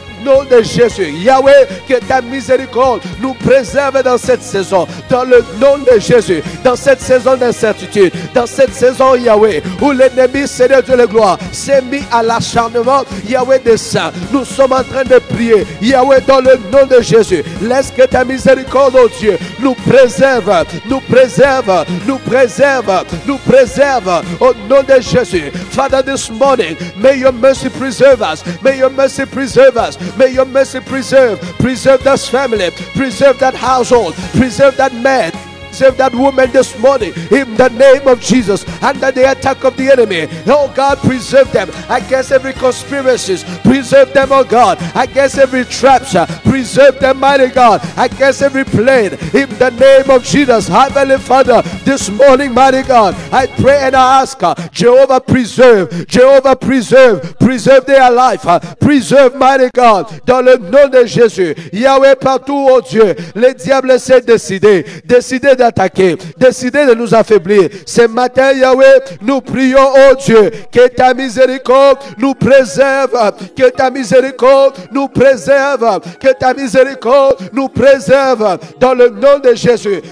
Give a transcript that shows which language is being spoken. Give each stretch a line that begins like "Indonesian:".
French: Nom de Jésus, Yahweh, que ta miséricorde nous préserve dans cette saison, dans le nom de Jésus, dans cette saison d'incertitude, dans cette saison, Yahweh, où l'ennemi, Seigneur de la gloire, s'est mis à l'acharnement, Yahweh des saints, nous sommes en train de prier, Yahweh, dans le nom de Jésus, laisse que ta miséricorde, oh Dieu, nous préserve, nous préserve, nous préserve, nous préserve, au nom de Jésus.
English: Father, this morning, may your mercy preserve us, may your mercy preserve us. May your mercy preserve this family, preserve that household, preserve that man, save that woman this morning in the name of Jesus, under the attack of the enemy. Oh God, preserve them against every conspiracies. Preserve them, oh God, against every traps. Preserve them, mighty God, against every plane in the name of Jesus. Heavenly Father, this morning, mighty God, I pray and I ask, Jehovah, preserve, preserve their life. Preserve, mighty God,
French: dans le nom de Jésus. Yahweh, partout, oh Dieu, les diables s'est décidé d'attaquer, décidé de nous affaiblir. Ce matin, Yahweh, nous prions, oh Dieu, que ta miséricorde nous préserve, que ta miséricorde nous préserve, que ta miséricorde nous préserve, dans le nom de Jésus.